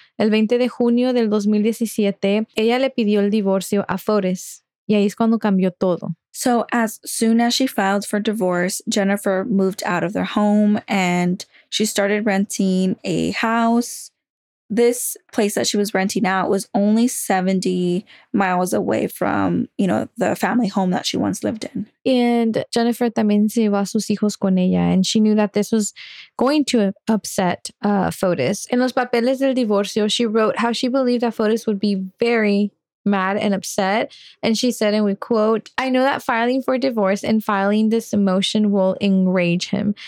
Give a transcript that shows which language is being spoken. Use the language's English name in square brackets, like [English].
[Spanish] El 20 de junio del 2017, ella le pidió el divorcio a Forrest. Y ahí es cuando cambió todo. [English] So as soon as she filed for divorce, Jennifer moved out of their home and she started renting a house. This place that she was renting out was only 70 miles away from, you know, the family home that she once lived in. And [Spanish] Jennifer también se llevó a sus hijos con ella. [English] And she knew that this was going to upset Fotis. [Spanish] En los papeles del divorcio, [English] she wrote how she believed that Fotis would be very mad and upset. And she said, and we quote, "I know that filing for divorce and filing this motion will enrage him.